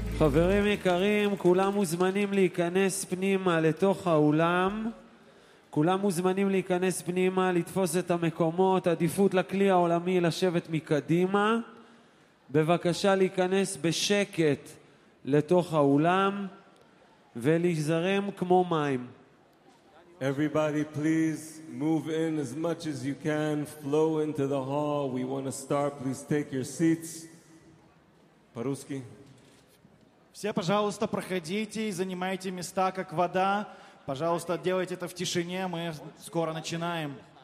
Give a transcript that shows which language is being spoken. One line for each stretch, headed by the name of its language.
Hebrew: חברים יקרים, כולם מוזמנים להיכנס פנימה לתוך האולם. כולם מוזמנים להיכנס פנימה, לתפוס את המקומות, עדיפות לכלי העולמי לשבת מקדימה. בבקשה להיכנס בשקט לתוך האולם ולהזרם כמו מים.
English: Everybody please move in as much as you can, flow into the hall. We want to start, please take your seats.
Russian: По-русски. Все, пожалуйста, проходите и занимайте места, как вода. Пожалуйста, делайте это в тишине, мы скоро начинаем.